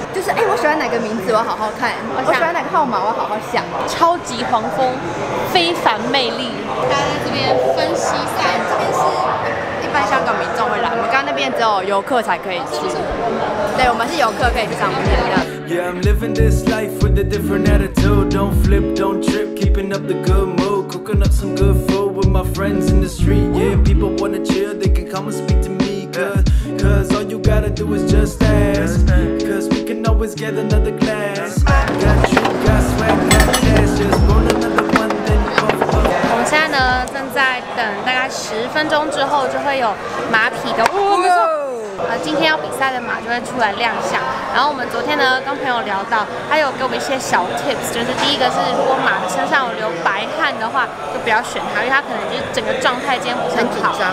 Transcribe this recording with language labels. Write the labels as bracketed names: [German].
[Chinese] 就是我喜欢哪个名字我好好看，我喜欢哪个号码我好好想。超级黄蜂，非凡魅力。大家在这边分析赛，这边是一般香港民众会来，我们刚刚那边只有游客才可以去。对，我们是游客可以去上面的。 [English] Yeah, I'm living this life with a different attitude. Don't flip, don't trip, keeping up the good mood. Cooking up some good food with my friends in the street. Yeah, people wanna chill, they can come and speak to me. Cause all you gotta do is just ask. Cause we can always get another glass. Got you, got swag, got cash. Just roll another one, then puff, puff. [Chinese] 我们现在呢，正在等大概10分钟之后就会有马匹的。 [English] Oh, no! [Chinese] 今天要比赛的马就会出来亮相。然后我们昨天呢跟朋友聊到，他有给我们一些小 tips， 就是第一个是如果马的身上有流白汗的话，就不要选它，因为它可能就是整个状态今天不是很好。